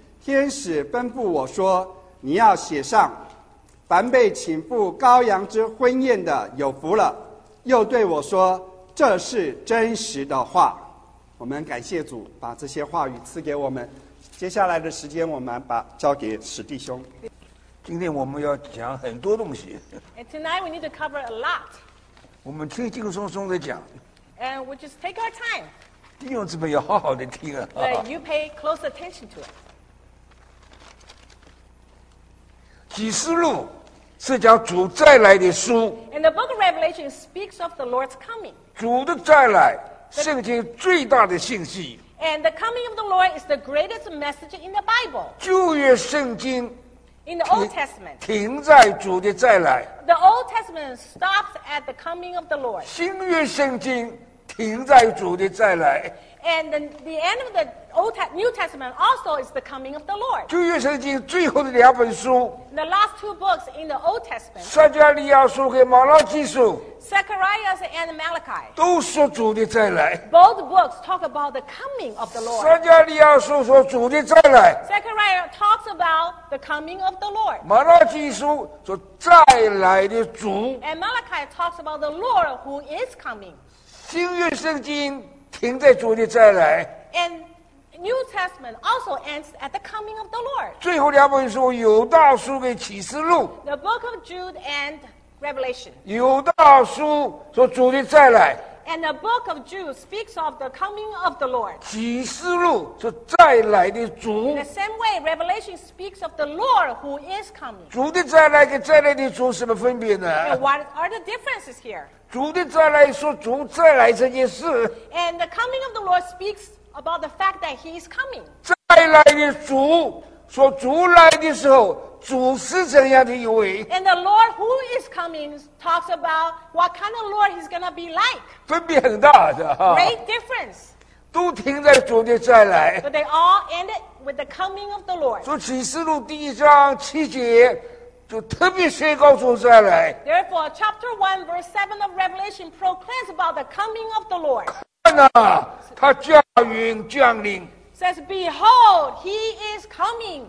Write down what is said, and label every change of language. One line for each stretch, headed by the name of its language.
Chinese: 天使吩咐我说，你要写上，凡被请赴羔羊之婚宴的有福了。又对我说，这是真实的话。我们感谢主把这些话语赐给我们，接下来的时间我们把交给史弟兄。今天我们要讲很多东西。
English: And tonight we need to cover a lot.
Chinese: 我们轻轻松松的讲。
English: And we just take our time.
Chinese: 弟兄姊妹要好好的听啊。
English: But you pay close attention to it.
Chinese: 启示录是讲主再来的书。
English: And the book of Revelation speaks of the Lord's coming.
Chinese: 主的再来，圣经最大的信息。
English: And the coming of the Lord is the greatest message in the Bible.
Chinese: 旧约圣经
English: in the Old Testament,
Chinese: 停在主的再来。
English: The Old Testament stops at the coming of the Lord.
Chinese: 新约圣经停在主的再来。
English: And the end of the New Testament also is the coming of the Lord.
Chinese: 旧约圣经最后的两本书
English: the last two books in the Old Testament,
Chinese: 撒迦利亚书和马拉基书
English: Zechariah and Malachi,
Chinese: 都说主的再来。
English: Both books talk about the coming of the Lord.
Chinese: 撒迦利亚书说主的再来。
English: Zechariah talks about the coming of the Lord.
Chinese: 马拉基书说再来的主。
English: And Malachi talks about the Lord who is coming.
Chinese: 新约圣经停在主的再来。
English: And New Testament also ends at the coming of the Lord.
Chinese: 最后两本书，犹大书跟启示录。
English: The book of Jude and Revelation.
Chinese: 犹大书说主的再来。
English: And the book of Jude speaks of the coming of the Lord.
Chinese: 启示录是再来的主。
English: In the same way, Revelation speaks of the Lord who is coming.
Chinese: 主的再来跟再来的主什么分别呢？
English: And what are the differences here?
Chinese: 主的再来说主再来这件事。
English: And the coming of the Lord speaks about the fact that he is coming.
Chinese: 再来的主说主来的时候主是怎样的一位
English: And the Lord who is coming talks about what kind of Lord he's going to be like.
Chinese: 分别很大的。
English: Great difference.
Chinese: 都停在主的再来。
English: But they all ended with the coming of the Lord.
Chinese: 说启示录第一章七节就特别宣告主再来。
English: Therefore, chapter 1, verse 7 of Revelation proclaims about the coming of the Lord.
Chinese: 看啊他驾云降临。
English: Says, behold, he is coming.